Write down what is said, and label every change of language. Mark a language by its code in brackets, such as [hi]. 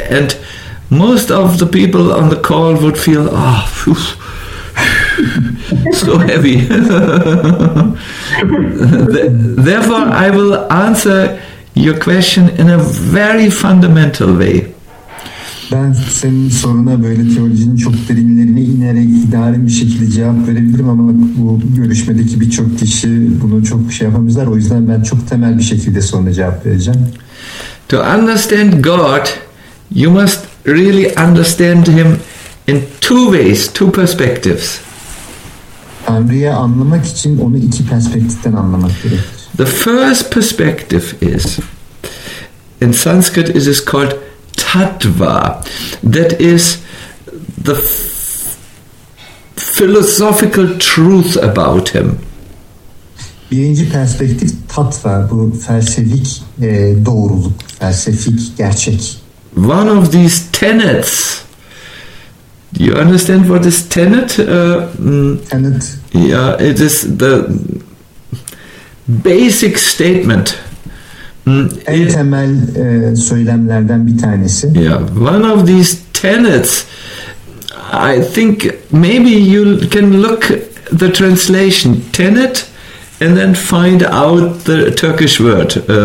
[en] And most of the people on the call would feel, oh, phew, so heavy. Therefore, I will answer your question in a very fundamental way. [tr] Ben senin soruna böyle teolojinin çok derinlerine inerek idari bir şekilde cevap verebilirim ama bu görüşmedeki birçok kişi bunu çok şey yapamazlar. O yüzden ben çok temel bir şekilde soruna cevap vereceğim. [en] To understand God, you must really understand him in two ways, two perspectives. [tr] Tanrı'yı anlamak için onu iki perspektiften anlamak gerekir. [en] The first perspective is, in Sanskrit it is called Tattva, that is the philosophical truth about him. [tr] Birinci perspektif tatva, bu felsefik doğruluk, felsefik gerçek. [en] One of these tenets. Do you understand what is tenet? Tenet. Yeah, it is the basic statement. [tr] En temel söylemlerden bir tanesi. [en] Yeah, one of these tenets. I think maybe you can look the translation tenet and then find out the Turkish word.